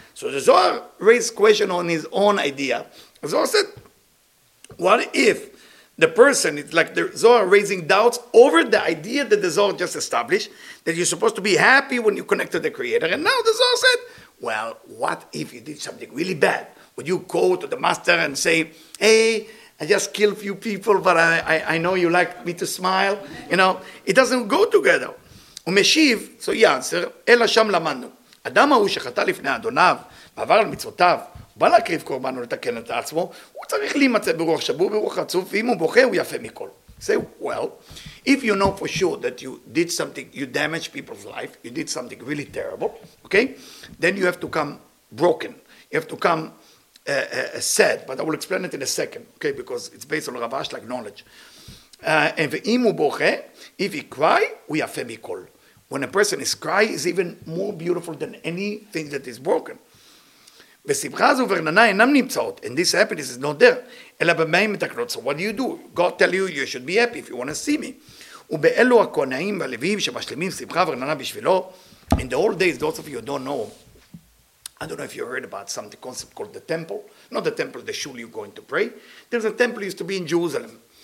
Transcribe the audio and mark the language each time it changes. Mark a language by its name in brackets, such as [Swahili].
[English] So the Zohar raised question on his own idea. The Zohar said, what if the person, it's like the Zohar raising doubts over the idea that the Zohar just established, that you're supposed to be happy when you connect to the Creator. And now the Zohar said, well, what if you did something really bad? Would you go to the master and say, hey, I just killed a few people, but I know you like me to smile. You know, it doesn't go together. [Hebrew] ומשיב, so he answered, אלא שם למדנו. אדם ההוא שחטא לפני אדוניו, בעבר על מצוותיו, בא להקריב קורבן ולתקן את עצמו, הוא צריך להימצא ברוח שבור, ברוח רצוף, ואם הוא בוכה, הוא יפה מכל. [English] Say, well, if you know for sure that you did something, you damaged people's life, you did something really terrible, okay, then you have to come broken. You have to come sad, but I will explain it in a second, okay, because it's based on Rav Ash, like knowledge. [Hebrew] And ואם הוא בוכה, if he cry, הוא יפה מכל. [English] When a person is cry, is even more beautiful than anything that is broken. ושמחה זו ורננה אינם נמצאות, and this happiness is not there. אלא במאים מתקנות, so what do? God tell you, you should be happy if you want to see me. ובאלו הכהנאים והלווים שמשלימים שמחה ורננה בשבילו, in the old days, those of you don't know, I don't know if you heard about something, concept called the temple, not the temple, the shul you're going to pray. There's a temple used to be in Jerusalem.